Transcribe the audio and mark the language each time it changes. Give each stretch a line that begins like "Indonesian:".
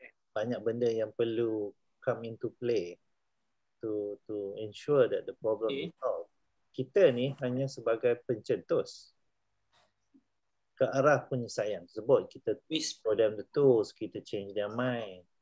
Malay: Banyak benda yang perlu
English: come into play to ensure that the problem is solved.
Malay: Kita ni hanya sebagai pencetus ke arah penyelesaian tersebut. Kita
English: twist for them the tools,
Malay: kita
English: change their mind.